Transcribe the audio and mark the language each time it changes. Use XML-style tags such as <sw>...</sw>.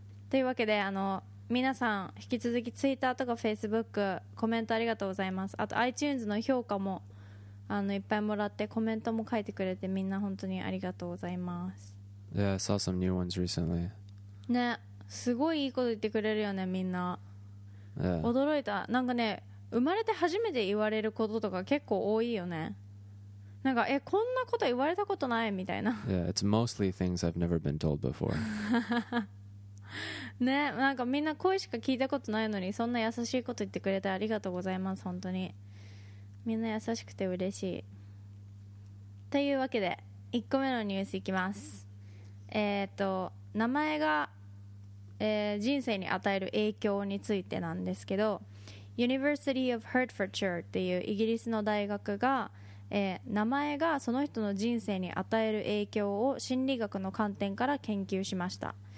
<ja>というわけで、皆さん引き続き Twitter とか Facebook コメントありがとうございます。あと iTunes の評価もいっぱいもらって、コメントも書いてくれて、みんな本当にありがとうございます。</ja> <en>Yeah, I saw some new ones recently.</en> <ja>ね、すごいいいこと言ってくれるよね、みんな。</ja> <en>Yeah.</en> <ja>驚いた。なんかね、生まれて初めて言われることとか結構多いよね。なんか、こんなこと言われたことないみたいな。</ja> <en>Yeah, it's mostly things I've never been told before.</en> <ja>ね、なんかみんな声しか聞いたことないのに、そんな優しいこと言ってくれてありがとうございます。本当にみんな優しくて嬉しい。というわけで1個目のニュースいきます。名前が、人生に与える影響についてなんですけど、 University of Hertfordshire っていうイギリスの大学が、名前がその人の人生に与える影響を心理学の観点から研究しました。</ja>